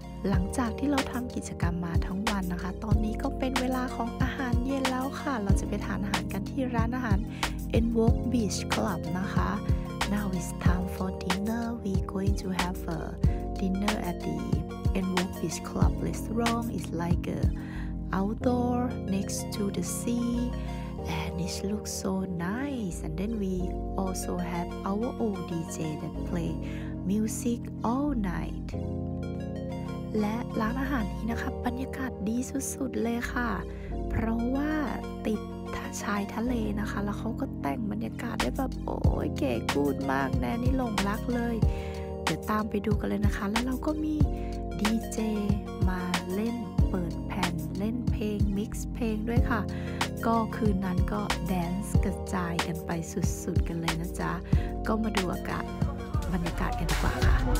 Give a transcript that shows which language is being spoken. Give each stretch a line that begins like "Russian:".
Thai: หลังจากที่เราทำกิจกรรมมาทั้งวันนะคะตอนนี้ก็เป็นเวลาของอาหารเย็นแล้วค่ะเราจะไปทานอาหารกันที่ร้านอาหาร Envoke Beach Club นะคะ
English: Now it's time for dinner. We going to have a dinner at the Envoke Beach Club restaurant. It's like a outdoor next to the sea and it looks so nice. And then we also have our own DJ that play music all night.
Thai: และร้านอาหารนี้นะคะบรรยากาศดีสุดๆเลยค่ะเพราะว่าติดชายทะเลนะคะแล้วเขาก็แต่งบรรยากาศได้แบบโอ้ยเก๋กู๊ดมากแน่นี่หลงรักเลยเดี๋ยวตามไปดูกันเลยนะคะแล้วเราก็มีดีเจมาเล่นเปิดแผ่นเล่นเพลงมิกซ์เพลงด้วยค่ะก็คืนนั้นก็แดนซ์กระจายกันไปสุดๆกันเลยนะจ๊ะก็มาดูอากาศบรรยากาศกันดีกว่าค่ะ